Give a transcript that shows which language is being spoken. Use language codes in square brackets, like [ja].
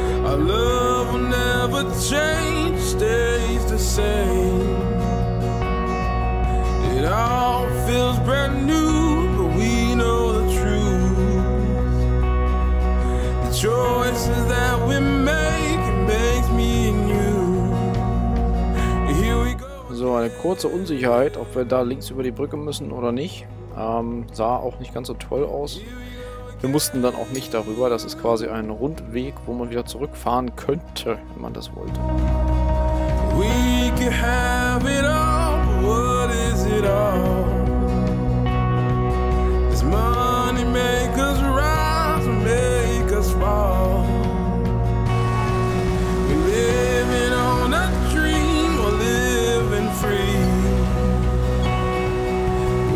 [en] Our love will never change, stays the same. It all feels brand new, but we know the truth. The choices that we make, it makes me and you. Here we go. [de] So, eine kurze Unsicherheit, ob wir da links über die Brücke müssen oder nicht. Sah auch nicht ganz so toll aus. Wir mussten dann auch nicht darüber, das ist quasi ein Rundweg, wo man wieder zurückfahren könnte, wenn man das wollte. [en] We can have it all, what is it all? This money make us rise, make us fall. We living on a dream, we're living free.